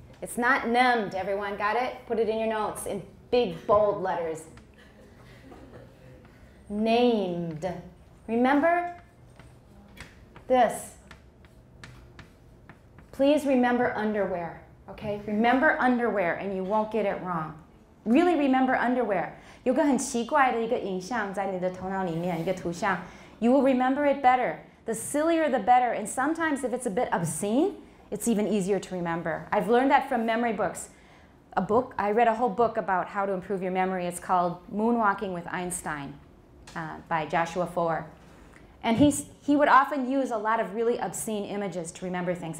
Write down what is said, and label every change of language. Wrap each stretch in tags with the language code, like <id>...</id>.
<en>It's not named, everyone. Got it? Put it in your notes in big, bold letters. Named. Remember this. Please remember underwear, okay? Remember underwear, and you won't get it wrong. Really remember underwear.</en> <zh>有个很奇怪的一个影像在你的头脑里面，一个图像.</zh> <en>You will remember it better. The sillier, the better. And sometimes if it's a bit obscene, it's even easier to remember. I've learned that from memory books. A book, I read a whole book about how to improve your memory. It's called Moonwalking with Einstein by Joshua Foer. And he would often use a lot of really obscene images to remember things.</en>